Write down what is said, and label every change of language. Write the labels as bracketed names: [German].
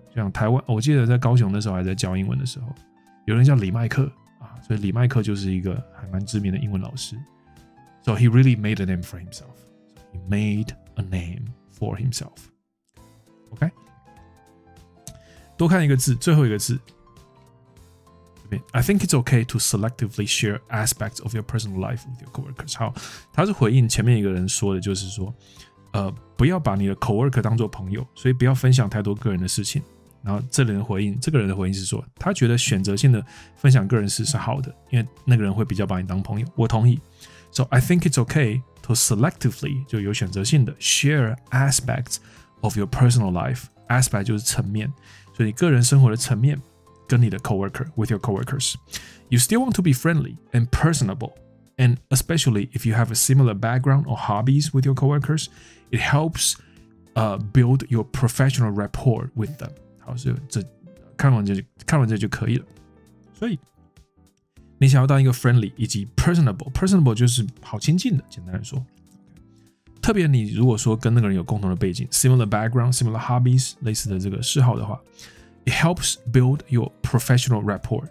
[Chinese] 就像台湾，我记得在高雄的时候还在教英文的时候，有人叫李麦克啊，所以李麦克就是一个还蛮知名的英文老师。 [English] So he really made a name for himself. He made a name for himself. [Chinese] OK， 多看一个字，最后一个字。 [English] I think it's okay to selectively share aspects of your personal life with your coworkers. [Chinese] 好，他是回应前面一个人说的，就是说，不要把你的 coworker 当作朋友，所以不要分享太多个人的事情。然后这个人的回应是说，他觉得选择性的分享个人事是好的，因为那个人会比较把你当朋友。我同意。 [English] So I think it's okay to selectively [Chinese] 就有选择性的 [English] share aspects of your personal life. [Chinese] Aspect 就是层面，所以你个人生活的层面。跟你的 coworker, [English] with your coworkers. You still want to be friendly and personable, and especially if you have a similar background or hobbies with your coworkers, it helps build your professional rapport with them. [Chinese] 好，所以这看完这就可以了。所以你想要当一个 friendly 以及 personable 就是好亲近的，简单来说。特别你如果说跟那个人有共同的背景， [English] similar background, similar hobbies, [Chinese] 类似的这个嗜好的话， [English] It helps build your professional rapport.